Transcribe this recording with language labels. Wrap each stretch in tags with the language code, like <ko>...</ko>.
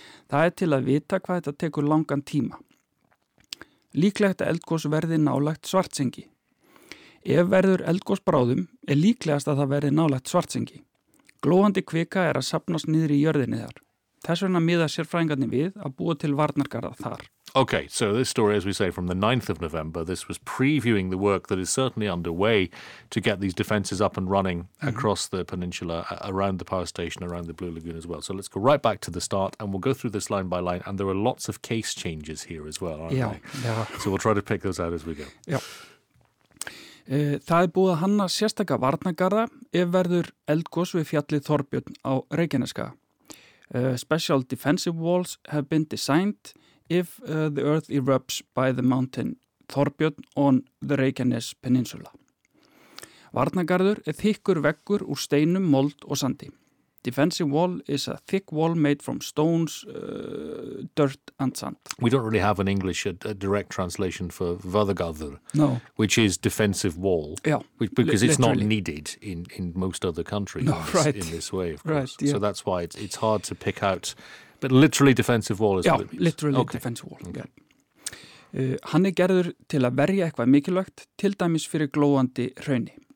<is>Það til að vita hvað þetta tekur langan tíma. Líklegt að eldgos verði nálægt Svartsengi. Ef verður eldgos bráðum líklegast að það verði nálægt Svartsengi. Glóandi kvika að safnast niður í jörðinni þar. Þess vegna miða sérfræðingarnir við að búa til varnargarða þar.</is> <en>Okay, so this story, as we say, from the 9th of November, this was previewing the work that is certainly underway to get these defences up and running across the peninsula, around the power station, around the Blue Lagoon as well. So let's go right back to the start, and we'll go through this line by line, and there are lots of case changes here as well, aren't there? Yeah. So we'll try to pick those out as we go. Yeah.</en> <is>Það búið að hanna sérstaka varnagarða ef verður eldgos við fjallið Þorbjörn á Reykjaneskaga.</is> <en>Special defensive walls have been designed if the earth erupts by the mountain Þorbjörn on the Reykjanes Peninsula.</en> <is>Varnagarður þykkur veggur úr steinum, mold og sandi.</is> <en>Defensive wall is a thick wall made from stones, dirt and sand. We don't really have an English a direct translation for varðagarður. No. Which is defensive wall. Yeah. Which, because it's not needed in most other countries in this way, of course. Right, yeah. So that's why it's hard to pick out. But literally defensive wall is what it means. Literally defensive wall. Okay.</en> <is>Hann gerður til að verja eitthvað mikilvægt, til dæmis fyrir glóandi hrauni.</is>